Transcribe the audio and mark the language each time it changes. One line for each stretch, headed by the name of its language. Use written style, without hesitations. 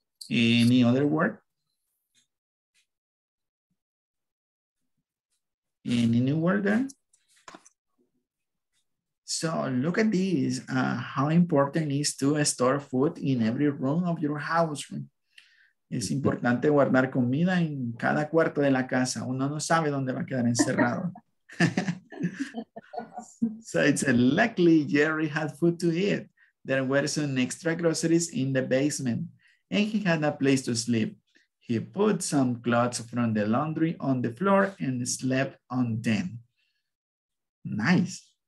English: Any other word? Any new word there? So look at this. How important it is to store food in every room of your house.
Spanish: Es importante guardar comida en cada cuarto de la casa. Uno no sabe dónde va a quedar encerrado.
English: So it's luckily Jerry had food to eat. There were some extra groceries in the basement and he had a place to sleep. He put some clothes from the laundry on the floor and slept on them. Nice.